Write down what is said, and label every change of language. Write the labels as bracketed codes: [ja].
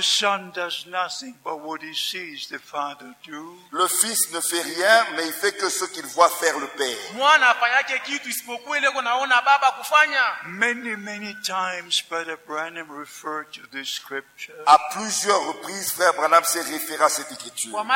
[en] son does nothing but what he sees the father do. [fr] Le fils ne fait rien mais il fait que ce qu'il voit faire le père. [en] Many times Brother Branham referred to this scripture. [fr] À plusieurs reprises Frère Branham s'est référé à cette écriture.